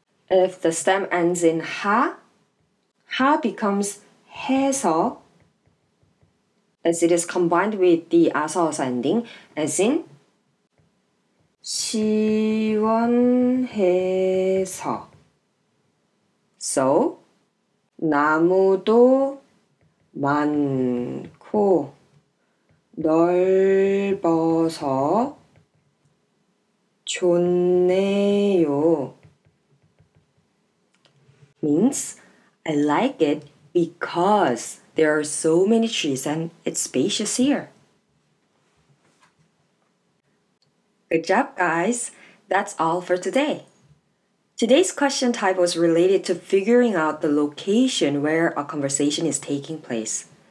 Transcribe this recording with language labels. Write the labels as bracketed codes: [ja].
[en] If the stem ends in 하, 하 becomes 해서, as it is combined with the 아서 어서 ending as in 시원해서. [ko] So, 나무도 많고 넓어서 좋네요. [en] Means, I like it because there are so many trees and it's spacious here. Good job, guys. That's all for today. Today's question type was related to figuring out the location where a conversation is taking place.